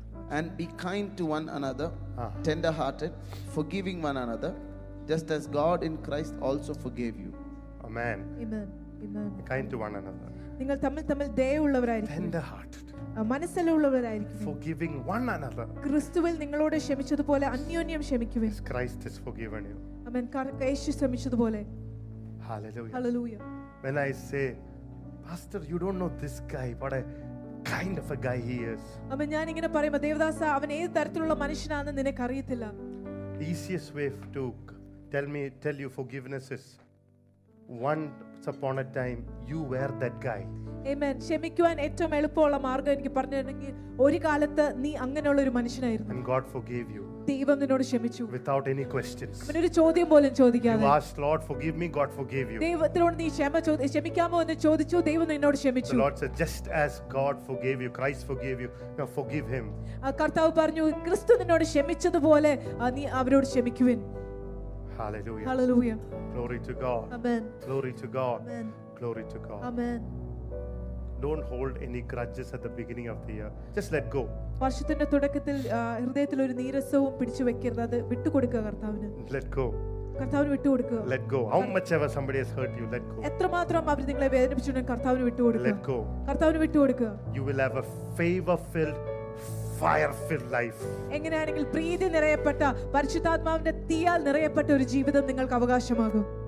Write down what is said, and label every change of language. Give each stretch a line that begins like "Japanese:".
English: And be kind to one another, tender hearted, forgiving one another, just as God in Christ also forgave you. Amen. Amen. Amen. Be kind to one another.
Malayalam: നിങ്ങൾ തമ്മിൽ തമ്മിൽ ദയയുള്ളവരായിരിക്കും.
English: Tender hearted.
Malayalam: മനസ്സിലുള്ളവരായിരിക്കും.
English: Forgiving one another.
Malayalam: ക്രിസ്തുവിൽ നിങ്ങളോട് ക്ഷമിച്ചതുപോലെ അന്യോന്യം ക്ഷമിക്കുവിൻ.
English: Christ has forgiven you.
Malayalam: ആമേൻ. യേശു ക്ഷമിച്ചതുപോലെ.
English: Hallelujah. Hallelujah. When I say pastor you don't know this guy but I kind of a guy he is.
Malayalam: ആമേൻ. ഞാൻ ഇങ്ങനെ പറയുമ്പോൾ ദേവദാസ് അവൻ ഏത് തരത്തിലുള്ള മനുഷ്യനാണെന്ന് നിനക്ക് അറിയില്ല.
English: Easiest way to tell you forgiveness is once upon a time you were that guy. Amen.
Malayalam: ക്ഷമിക്കുവാൻ ഏറ്റവും എളുപ്പമുള്ള മാർഗം എനിക്ക് പറഞ്ഞിരുന്നെങ്കിൽ ഒരു കാലത്ത് നീ അങ്ങനെയുള്ള ഒരു മനുഷ്യനായിരുന്നു.
English: And God forgave you.
Malayalam: ദൈവം നിന്നോട് ക്ഷമിച്ചു.
English: Without any questions.
Malayalam: അവൻ ഒരു ചോദ്യം പോലും ചോദിക്കാതെ.
English: You asked Lord forgive me, God forgave you.
Malayalam: ദൈവത്തോട് നീ ക്ഷമ ചോദിച്ചു, ക്ഷമിക്കാമോ എന്ന് ചോദിച്ചു, ദൈവം നിന്നോട് ക്ഷമിച്ചു.
English: The Lord said just as God forgave you, Christ forgave you, now forgive him.
Malayalam: കർത്താവ് പറഞ്ഞു, ക്രിസ്തു നിന്നോട് ക്ഷമിച്ചതുപോലെ നീ അവരോട് ക്ഷമിക്കുവിൻ.
English: Hallelujah. Hallelujah. Glory to God. Amen. Glory to God. Amen. Glory to God. Amen. Don't hold any grudges at the beginning of the year. Just let go.
Malayalam: വർഷത്തിന്റെ തുടക്കത്തിൽ ഹൃദയത്തിൽ ഒരു നീരസവും പിടിച്ചു വെക്കരുത്. അത് വിട്ടുകൊടുക്കുക കർത്താവിനെ.
English: Let go.
Malayalam: കർത്താവിനെ വിട്ടുകൊടുക്കുക.
English: Let go. How much ever somebody has hurt you, let go.
Malayalam: എത്രമാത്രം അവർ നിങ്ങളെ വേദനിപ്പിച്ചുണ്ടെങ്കിലും കർത്താവിനെ വിട്ടുകൊടുക്കുക.
English: Let go.
Malayalam: കർത്താവിനെ വിട്ടുകൊടുക്കുക.
English: You will have a favor filled, fire filled life.
Malayalam: എങ്ങനെയാണെങ്കിൽ പ്രീതി നിറയപ്പെട്ട പരിശുദ്ധാത്മാവിന്റെ തീയാൽ നിറയപ്പെട്ട ഒരു ജീവിതം നിങ്ങൾക്ക് അവകാശമാകും.